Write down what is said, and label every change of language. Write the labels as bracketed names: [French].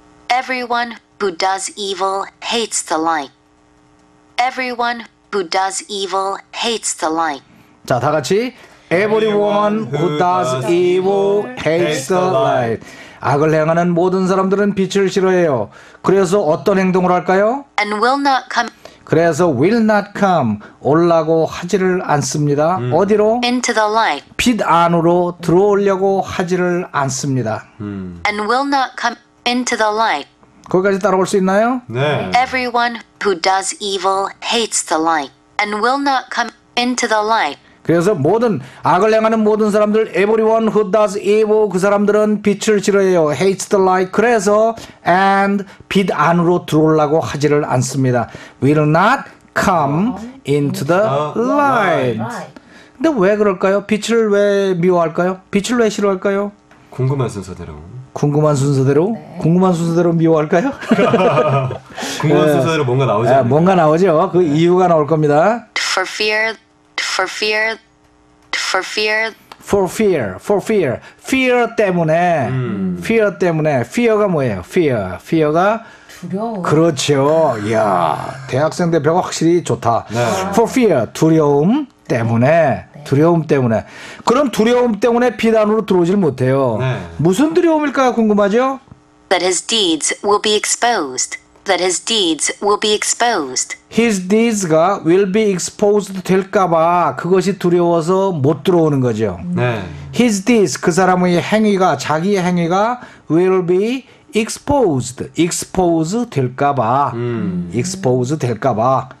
[English] Everyone who does evil hates the light. Everyone who does evil hates the light. [Korean] 자, 다 같이. [English] Everyone who does evil hates the light. [Korean] 악을 행하는 모든 사람들은 빛을 싫어해요. 그래서 어떤 행동을 할까요? [English] And will not come. [Korean] 그래서 [English] will not come [Korean] 오려고 하지를 않습니다. 어디로? [English] Into the light. [Korean] 빛 안으로 들어오려고 하지를 않습니다. [English] And will not come into the light. [Korean] 거기까지 따라올 수 있나요? 네. [English] Everyone who does evil hates the light and will not come into the light. [Korean] 그래서 모든 악을 행하는 모든 사람들 [English] everyone who does evil [Korean] 그 사람들은 빛을 싫어해요. [English] Hates the light. [Korean] 그래서 [English] and [Korean] 빛 안으로 들어오려고 하지를 않습니다. [English] Will not come into the light. [Korean] 근데 왜 그럴까요? 빛을 왜 미워할까요? 빛을 왜 싫어할까요? 궁금한 순서대로. 궁금한 순서대로? 네. 궁금한 순서대로 미워할까요? 궁금한 네. 순서대로 뭔가 나오죠. 네, 뭔가 나오죠. 그 네. 이유가 나올 겁니다. [English] For fear, for fear, for fear. For fear, for fear. Fear [Korean] 때문에. [English] Fear 때문에. Fear가 [Korean] 뭐예요? [English] Fear. Fear가 [Korean] 두려워. 그렇죠. 이야, 대학생 대표가 확실히 좋다. 네. [English] For fear, [Korean] 두려움 때문에. 두려움 때문에. 그럼 두려움 때문에 비단으로 들어오질 못해요. 네. 무슨 두려움일까 궁금하죠? [English] That his deeds will be exposed. That his deeds will be exposed. His deeds [Korean] 가 [English] will be exposed [Korean] 될까봐 그것이 두려워서 못 들어오는 거죠. 네. [English] His deeds, [Korean] 그 사람의 행위가, 자기의 행위가 [English] will be exposed. [Korean] Expose 될까봐. Expose 될까봐.